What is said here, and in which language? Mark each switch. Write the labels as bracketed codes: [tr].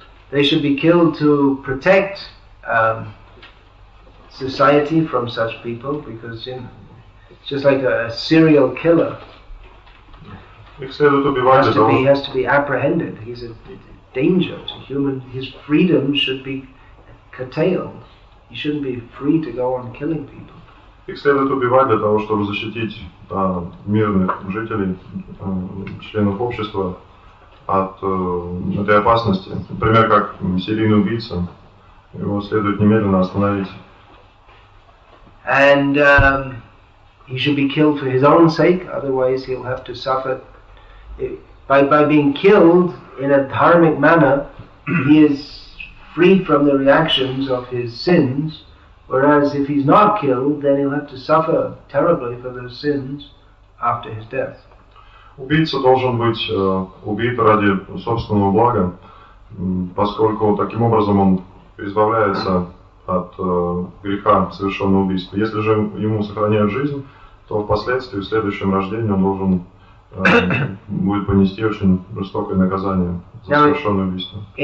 [en] They should be killed to protect society from such people, because it's just like a serial killer. He has to be apprehended. He's a danger to human. His freedom should be curtailed. He shouldn't be free to go on killing people. [ru] Их следует убивать для того, чтобы защитить мирных жителей, членов общества от этой опасности. Например, как серийный убийца, его следует немедленно остановить. [en] And He should be killed for his own sake, otherwise he'll have to suffer. By being killed in a dharmic manner, he is free from the reactions of his sins, whereas if he's not killed, then he'll have to suffer terribly for those sins after his death. [ru] Убийца должен быть убит ради собственного блага, поскольку таким образом он избавляется от греха совершенного убийства. Если же ему сохраняют жизнь, то впоследствии, в следующем рождении, он должен будет понести очень жестокое наказание за совершенное убийство.